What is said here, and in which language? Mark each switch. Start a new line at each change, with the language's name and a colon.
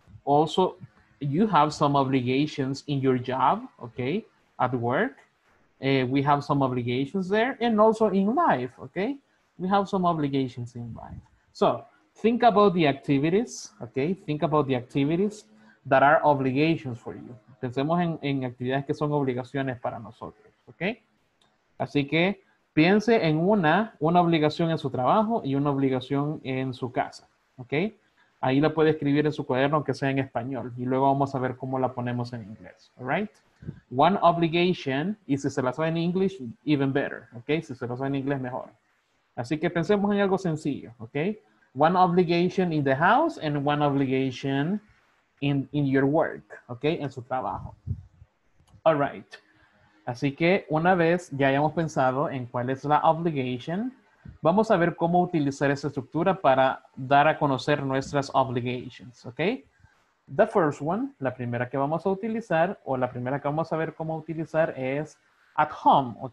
English: Also, you have some obligations in your job, okay, at work. We have some obligations there, and also in life, okay? We have some obligations in life. So think about the activities, okay? Think about the activities that are obligations for you.
Spanish: Pensemos en actividades que son obligaciones para nosotros, okay? Así que piense en una obligación en su trabajo y una obligación en su casa, okay? Ahí la puede escribir en su cuaderno, aunque sea en español. Y luego vamos a ver cómo la ponemos en inglés. All right?
English: One obligation,
Spanish: y si se la sabe en inglés,
English: even better.
Spanish: Okay? Si se la sabe en inglés, mejor. Así que pensemos en algo sencillo. Okay?
English: One obligation in the house and one obligation in your work.
Spanish: Okay? En su trabajo. All right. Así que una vez ya hayamos pensado en cuál es la obligation, vamos a ver cómo utilizar esa estructura para dar a conocer nuestras obligations, ¿ok?
English: The first one,
Spanish: la primera que vamos a utilizar, o la primera que vamos a ver cómo utilizar es at home, ¿ok?